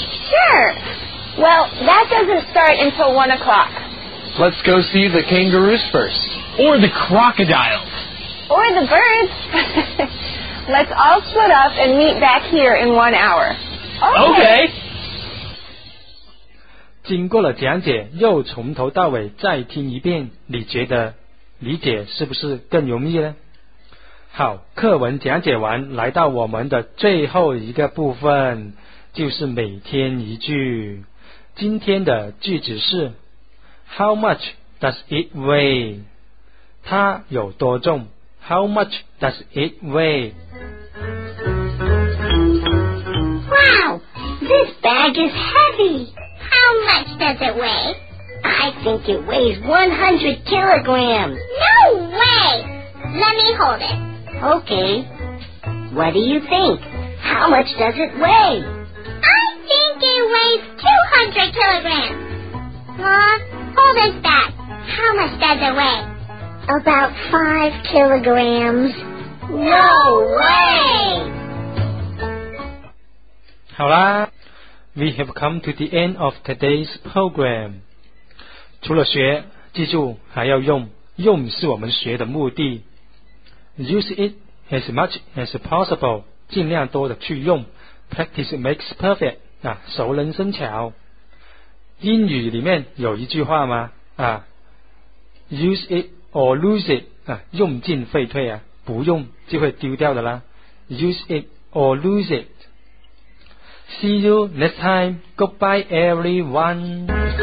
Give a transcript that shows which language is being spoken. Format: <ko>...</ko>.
<en>Sure. Well, that doesn't start until 1 o'clock. Let's go see the kangaroos first. Or the crocodiles. Or the birds. Let's all split up and meet back here in 1 hour. Okay.</en> <zh>经过了讲解，又从头到尾再听一遍，你觉得理解是不是更容易呢？好，课文讲解完，来到我们的最后一个部分，就是每天一句。今天的句子是</zh> <en>How much does it weigh?</en> <zh>它有多重?</zh> <en>How much does it weigh? Wow, this bag is heavy. How much does it weigh? I think it weighs 100 kilograms. No way! Let me hold it. Okay. What do you think? How much does it weigh? I think it weighs 200 kilograms. Huh? Hold this back. How much does it weigh? About 5 kilograms. No way!</en> <zh>好啦</zh> <en>,We have come to the end of today's program.</en> <zh>除了学,记住还要用,用是我们学的目的。</zh> <en>Use it as much as possible,</en> <zh>尽量多的去用。</zh> <en>Practice makes perfect, 啊,</en> <zh>熟能生巧。英语里面有一句话吗？啊 ，</zh> <en>use it or lose it</en> <zh>啊，用尽废退啊，不用就会丢掉的啦。</zh> <en>Use it or lose it. See you next time. Goodbye, everyone.</en>